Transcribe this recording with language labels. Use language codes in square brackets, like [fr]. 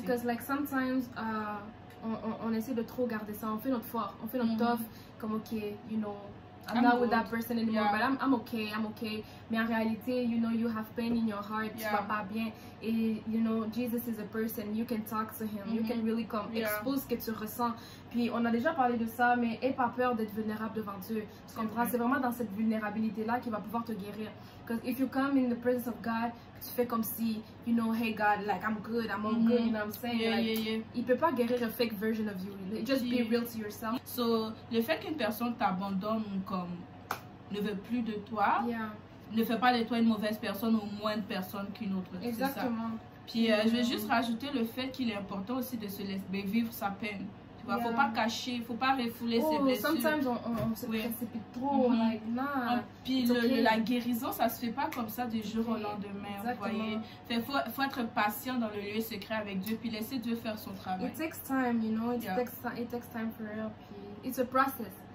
[en] Because like sometimes [fr] on essaie de trop garder ça, on fait notre foire, on fait notre [en] tough, comme ok, you know, I'm not with that person anymore, but I'm okay, [fr] mais en réalité, [en] you know, you have pain in your heart, [fr] tu vas pas bien, [en] et you know, Jesus is a person, you can talk to him, you can really come, [fr] expose ce que tu ressens. Puis on a déjà parlé de ça, mais aie pas peur d'être vulnérable devant Dieu, tu comprends, c'est vraiment dans cette vulnérabilité-là qu'il va pouvoir te guérir. [en] Because if you come in the presence of God, [fr] tu fais comme si, [en] you know, hey God, like, I'm good, I'm all good, you know what I'm saying? Yeah. [fr] Il peut pas guérir [en] a fake version of you. Just be real to yourself. [fr] So, le fait qu'une personne t'abandonne, comme, ne veut plus de toi, ne fait pas de toi une mauvaise personne ou moins de personne qu'une autre. Exactement. C'est ça. Puis, je vais juste rajouter le fait qu'il est important aussi de se laisser vivre sa peine. Tu vois, faut pas cacher, faut pas refouler ses blessures. [en] Sometimes [fr] on se précipite trop, Puis la guérison, ça se fait pas comme ça du jour au lendemain, vous voyez. Faut être patient dans le lieu secret avec Dieu, puis laisser Dieu faire son travail. [en] It takes time, you know, it takes time for her, puis it's a process.